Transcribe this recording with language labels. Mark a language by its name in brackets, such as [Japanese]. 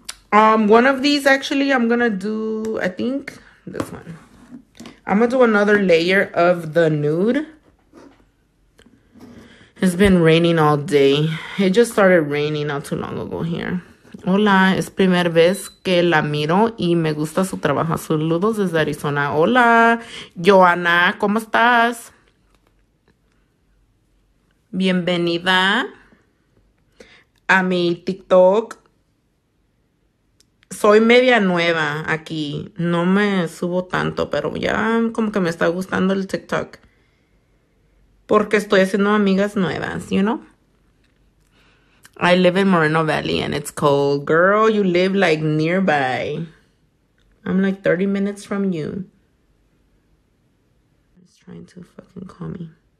[English] One of these, actually, I'm gonna do, I think, this one. I'm gonna do another layer of the nude. It's been raining all day. It just started raining not too long ago here. [Spanish] Hola, es primera vez que la miro y me gusta su trabajo. Saludos desde Arizona. Hola, Joana, ¿cómo estás? Bienvenida a mi TikTok. Soy media nueva aquí. No me subo tanto, pero ya como que me está gustando el TikTok. Porque estoy haciendo amigas nuevas, [English] you know? I live in Moreno Valley and it's cold. Girl, you live like nearby. I'm like 30 minutes from you. He's trying to fucking call me.